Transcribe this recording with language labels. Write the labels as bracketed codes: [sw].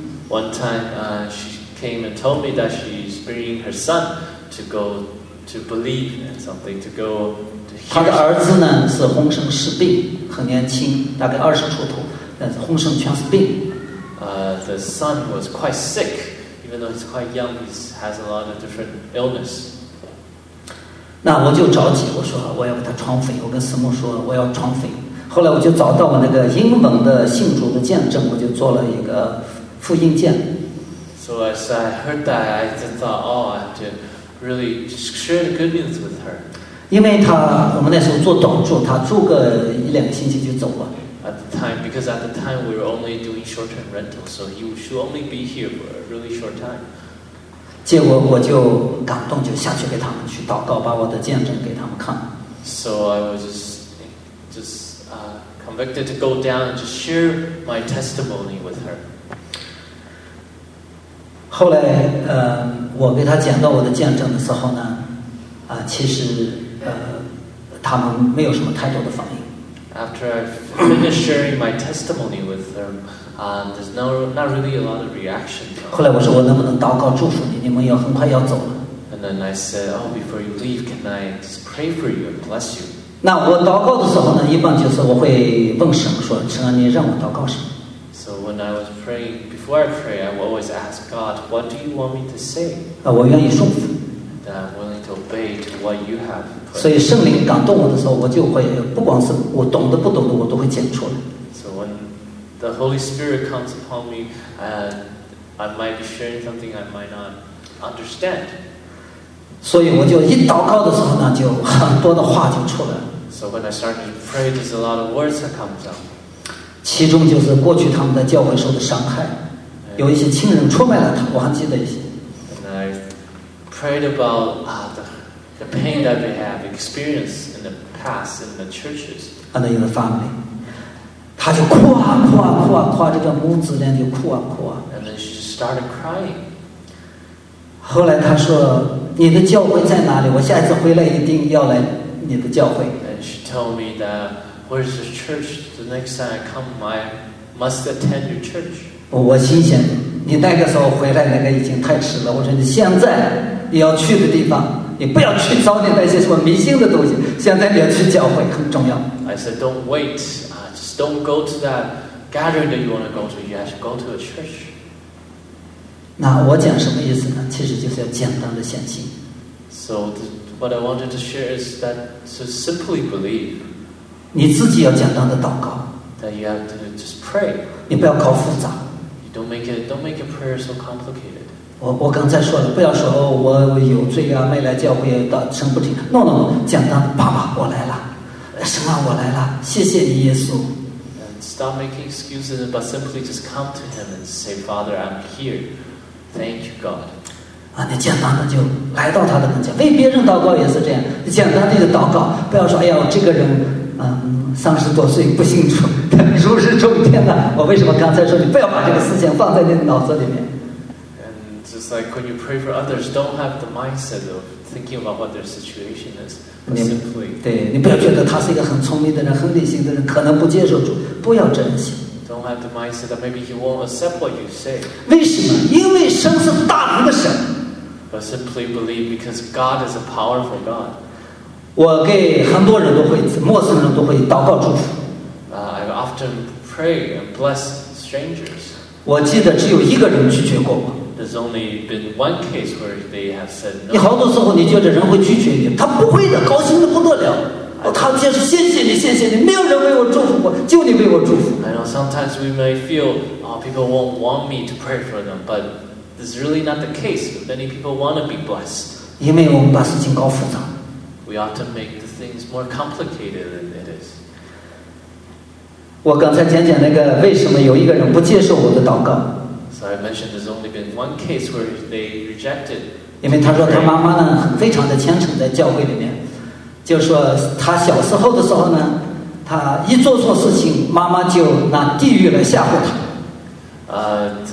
[en] One time, she came and told me that she's bringing her son to go to believe in something, to go. To hear [zh] 他的儿子呢是浑身是病，很年轻，大概二十出头。红绳全是病。 [en] The son was quite sick. Even though he's quite young, he has a lot of different illness. [zh] 那我就着急，我说我要给他传福音。我跟师母说我要传福音。后来我就找到我那个英文的信主的见证，我就做了一个复印件。 [en] So as I heard that, I just thought, oh, I have to really share the good news with her. [zh] 因为她，我们那时候做短住，她住个一两个星期就走了。 [en] At the time, because at the time we were only doing short-term rental, so he should only be here for a really short time. [zh] 结果我就感动，就下去给他们去祷告，把我的见证给他们看。 [en] So I was just convicted to go down and just share my testimony with her. [zh] 后来，我给她讲到我的见证的时候呢，其实，他们没有什么太多的反应。 [en] After I finished sharing my testimony with her, there's not really a lot of reaction. [zh] 后来我说我能不能祷告祝福你？你们要很快要走了。 [en] And then I said, oh, before you leave, can I just pray for you and bless you? [zh] 那我祷告的时候呢，一般就是我会问神说，神啊，你让我祷告什么？ [en] So when I was praying, before I pray, I would always ask God, what do you want me to say? [zh] 我愿意顺服。 [en] That I'm willing to obey to what you have. [zh] 所以圣灵感动我的时候，我就会不管是我懂的不懂的，我都会讲出来。 [en] So when the Holy Spirit comes upon me, I might be sharing something I might not understand. [zh] 所以我就一祷告的时候呢，就很多的话就出来了。 [en] So when I start to pray, there's a lot of words that comes out. [zh] 其中就是过去他们在教会受的伤害，有一些亲人出卖了他，我还记得一些。 [en] Prayed about the pain that they have experienced in the past in the churches. And in the family, [zh] 她就哭啊哭啊哭啊哭啊，这个母子俩就哭啊哭啊。 [en] And then she started crying. [zh] 后来她说，你的教会在哪里？我下次回来一定要来你的教会。 [en] And she told me that where is the church? The next time I come, I must attend your church. [zh] 我心想，你那个时候回来那个已经太迟了。我说你现在。你要去的地方，你不要去糟践那些什么迷信的东西。现在你要去教会很重要。 [en] I said, don't wait. Just don't go to that gathering that you want to go to. You have to go to a church. [zh] 那我讲什么意思呢？其实就是要简单的相信。 [en] So what I wanted to share is that to simply believe. [zh] 你自己要简单的祷告。 [en] That you have to just pray. [zh] 你不要搞复杂。 [en] You don't make your prayer so complicated. [zh] 我刚才说了，不要说我有罪啊，没来教会，到神不听。 No, 简单，爸爸，我来了，神啊，我来了，谢谢你，耶稣。 [en] And stop making excuses, but simply just come to Him and say, Father, I'm here. Thank you, God. [zh] 你简单的就来到他的跟前，为别人祷告也是这样，简单的祷告，不要说哎呀，这个人，三十多岁不信主，如日中天的。我为什么刚才说你不要把这个思想放在你的脑子里面？ [en] It's like when you pray for others, don't have the mindset of thinking about what their situation is. Simply, [zh] 对你不要觉得他是一个很聪明的人、很理性的人，可能不接受主，不要珍惜。 [en] Don't have the mindset that maybe he won't accept what you say. [zh] 为什么？因为神是大能的神。 [en] But simply believe because God is a powerful God. [zh] 我给很多人都会，陌生人都会祷告祝福。 [en] I often pray and bless strangers. [zh] 我记得只有一个人拒绝过我。 [en] There's only been one case where they have said no. [zh] 你好多时候你觉得人会拒绝你，他不会的，高兴得不得了。他就是谢谢你，谢谢你，没有人为我祝福过，就你为我祝福。 [en] I know sometimes we may feel, people won't want me to pray for them, but this is really not the case. Many people want to be blessed. [zh] 因为我们把事情搞复杂。 [en] We often make the things more complicated than it is. [zh] 我刚才讲讲那个为什么有一个人不接受我的祷告。 [en] So I mentioned there's only been one case where they rejected. [zh] 因为他说他妈妈呢非常的虔诚，在教会里面，就说他小时候的时候呢，他一做错事情，妈妈就拿地狱来吓唬他。